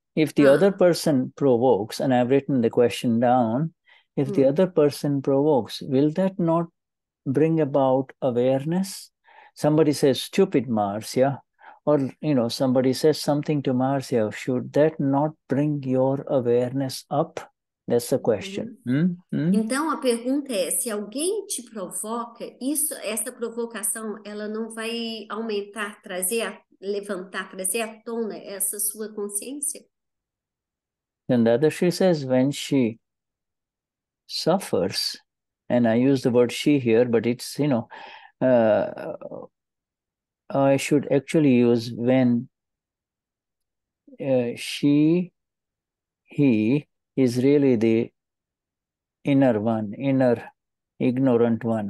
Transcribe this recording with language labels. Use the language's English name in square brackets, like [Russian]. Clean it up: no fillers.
[English] If the other person provokes, and I've written the question down, if the other person provokes, will that not bring about awareness? Somebody says, stupid Marcia. Or, you know, somebody says something to Marcia, should that not bring your awareness up? That's the question. [Portuguese] Então, a pergunta é, se alguém te provoca, isso, essa provocação, ela não vai aumentar, trazer à tona essa sua consciência? [English] And that she says, when she suffers, and I use the word she here, but it's, you know... I should actually use when he is really the inner one, inner ignorant one.